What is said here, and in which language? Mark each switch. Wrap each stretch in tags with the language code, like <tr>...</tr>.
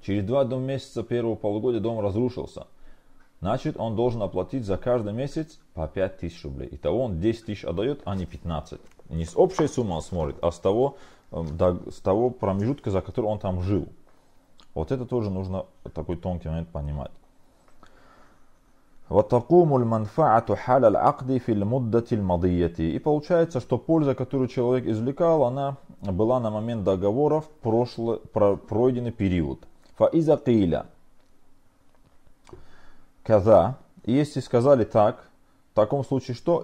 <ru>Через 2 месяца первого полугодия дом разрушился. Значит, он должен оплатить за каждый месяц по 5 тысяч рублей. Итого он 10 тысяч отдает, а не 15. Не с общей суммы он смотрит, а с того промежутка, за который он там жил. Вот это тоже нужно такой тонкий момент понимать.</ru> <ar>وتقوم المنفعة حال العقد في المدة الماضية.</ar> <ru>И получается, что польза, которую человек извлекал, она была на момент договора в пройденный период.</ru> <ar>فإذا قيل كذا,</ar> <ru>если сказали так, в таком случае что?</ru>